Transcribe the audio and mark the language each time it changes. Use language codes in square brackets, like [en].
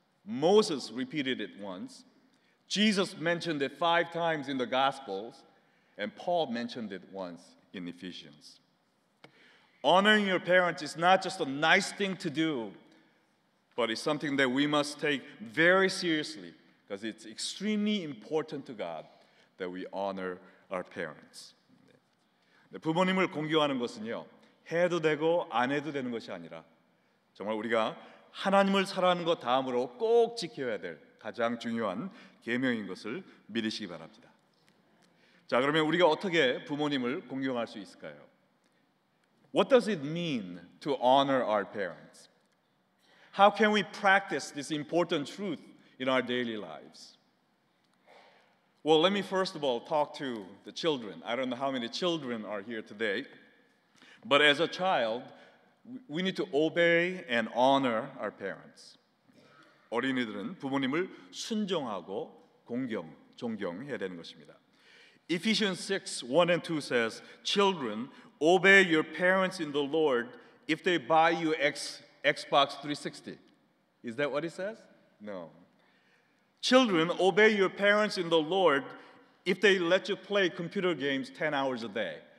[en] Moses repeated it once. Jesus mentioned it 5 times in the Gospels, and Paul mentioned it once in Ephesians. Honoring your parents is not just a nice thing to do, but it's something that we must take very seriously because it's extremely important to God that we honor our parents. [ko] 네, 부모님을 공경하는 것은요, 해도 되고 안 해도 되는 것이 아니라 정말 우리가 하나님을 사랑하는 것 다음으로 꼭 지켜야 될 가장 중요한 계명인 것을 믿으시기 바랍니다. 자, 그러면 우리가 어떻게 부모님을 공경할 수 있을까요? [en] What does it mean to honor our parents? How can we practice this important truth in our daily lives? Well, let me first of all talk to the children. I don't know how many children are here today, but as a child, we need to obey and honor our parents. [ko] 어린이들은 부모님을 순종하고 공경, 존경해야 되는 것입니다. [en] Ephesians 6, 1 and 2 says, Children, obey your parents in the Lord if they buy you Xbox 360. Is that what it says? No. Children, obey your parents in the Lord if they let you play computer games 10 hours a day.